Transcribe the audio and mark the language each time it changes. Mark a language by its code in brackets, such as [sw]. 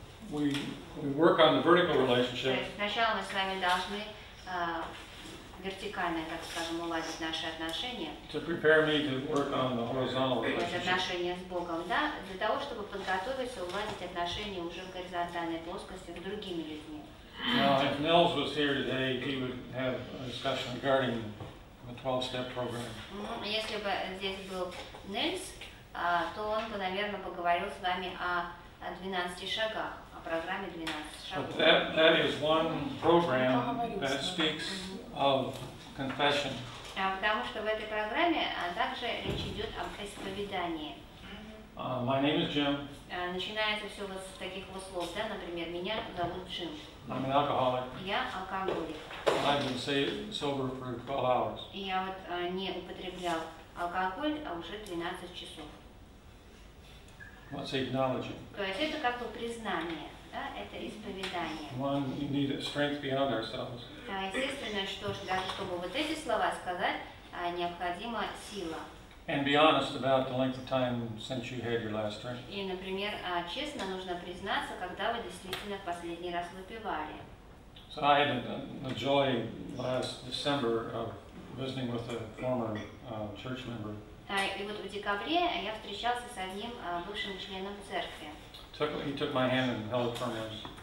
[en] We work on the vertical relationship. [ru] Сначала мы с вами должны вертикально, так скажем, уладить наши отношения. [en] To prepare me to work on the horizontal relationship. [ru] Отношения с Богом, да, для того, чтобы подготовиться уладить отношения уже в горизонтальной плоскости с другими людьми. [en] Now, if Nels was here today, he would have a discussion regarding the 12-step program. [ru] Если бы здесь был Нельс, то он бы, наверное, поговорил с вами о 12 шагах, о программе 12 шагов. [en] But that is one program that speaks of confession. [ru] Потому что в этой программе также речь идет об исповедании. [en] My name is Jim. [ru] Начинается все вот с таких вот слов, да, например, меня зовут Джим. [en] I'm an alcoholic. [ru] Я алкоголик. [en] I've been sober for 12 hours. [ru] Я вот не употреблял алкоголь, а уже 12 часов. [en] What's acknowledging? [ru] То есть это как бы признание, да, это исповедание. [en] One, you need strength beyond ourselves. [ru] Естественно, что ж, даже чтобы вот эти слова сказать, необходима сила. [en] And be honest about the length of time since you had your last drink. [ru] И, например, честно нужно признаться, когда вы действительно в последний раз выпивали. [en] So I had the joy last December of visiting with a former church member. [ru] И вот в декабре я встречался с одним бывшим членом церкви. [en] He took my hand and held it firmly.